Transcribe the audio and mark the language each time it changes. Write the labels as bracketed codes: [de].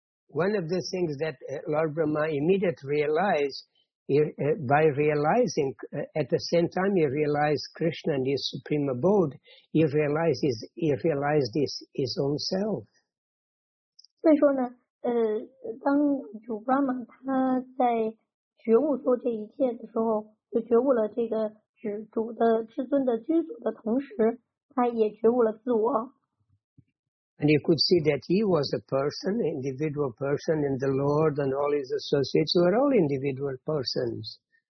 [en] One of the things that Lord Brahma immediately realized by realizing, at the same time he realized Krishna and his supreme abode, he realized his own self. [zh] 所以说呢，当主 Brahma 他在觉悟做这一切的时候，就觉悟了这个主的至尊的居所的同时，他也觉悟了自我。 [en] And you could see that he was a person, an individual person, and the Lord and all his associates were all individual persons.